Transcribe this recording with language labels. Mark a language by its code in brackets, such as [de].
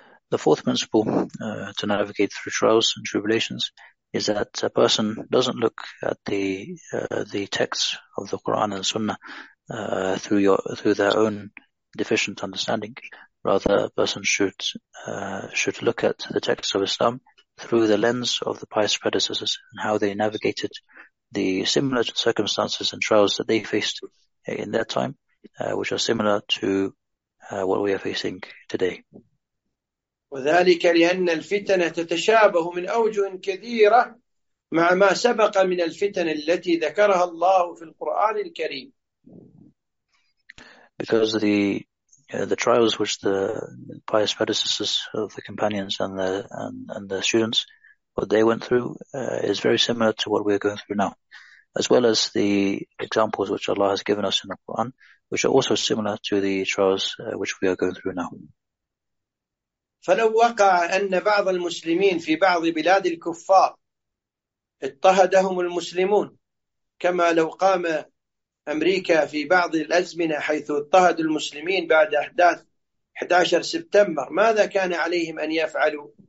[en] The fourth principle to navigate through trials and tribulations is that a person doesn't look at the texts of the Quran and Sunnah through their own deficient understanding. Rather, a person should look at the texts of Islam through the lens of the pious predecessors and how they navigated the similar circumstances and trials that they faced in their time, which are similar to what we are facing today. [ar] وذلك لأن الفتن تتشابه من أوجه كثيرة مع ما سبق من الفتن التي ذكرها الله في القرآن الكريم. [en] Because the trials which the pious predecessors of the companions and the students, what they went through is very similar to what we are going through now, as well as the examples which Allah has given us in the Quran, which are also similar to the trials which we are going through now. [ar] فلو وقع أن بعض المسلمين في بعض بلاد الكفار اضطهدهم المسلمون كما لو قام أمريكا في بعض الأزمنة حيث اضطهدوا المسلمين بعد أحداث 11 سبتمبر ماذا كان عليهم أن يفعلوا؟